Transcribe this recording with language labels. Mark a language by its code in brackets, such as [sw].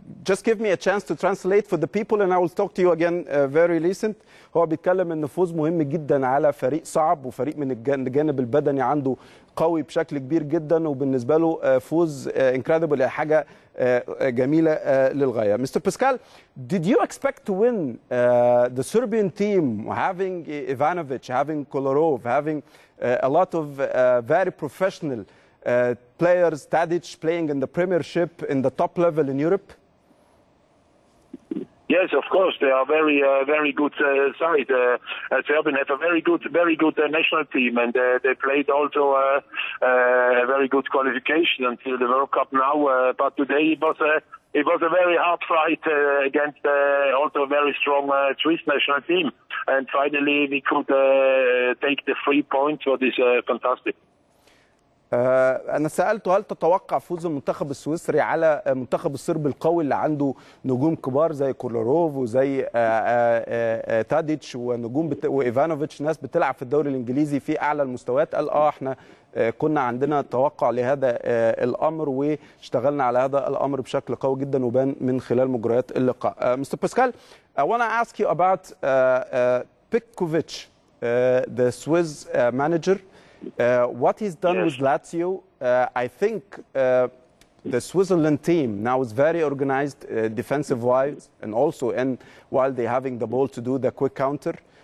[en] Just give me a chance to translate for the people and I will talk to you again very recent. [ar] هو بيتكلم ان فوز مهم جدا على فريق صعب، وفريق من الجانب البدني عنده قوي بشكل كبير جدا، وبالنسبه له فوز انكريدبل، حاجه جميله للغايه. [en] Mister Pascal, did you expect to win the Serbian team having Ivanovic, having Kolarov, having a lot of very professional players, Tadic playing in the Premiership, in the top level in Europe? Yes, of course, they are very, very good side. Serbia have a very good national team, and they played also a very good qualification until the World Cup now. But today it was a very hard fight against also a very strong Swiss national team, and finally we could take the 3 points, which is fantastic. [ar] أنا سألته هل تتوقع فوز المنتخب السويسري على منتخب الصرب القوي اللي عنده نجوم كبار زي كولاروف وزي تاديتش ونجوم وإيفانوفيتش، ناس بتلعب في الدوري الإنجليزي في أعلى المستويات؟ قال آه، إحنا كنا عندنا توقع لهذا الأمر واشتغلنا على هذا الأمر بشكل قوي جدا، وبان من خلال مجريات اللقاء. [en] Mister Pascal, I want to ask you about Pickovich, the Swiss manager. What he's done with Lazio, I think the Switzerland team now is very organized defensive-wise, and also in while they're having the ball to do the quick counter.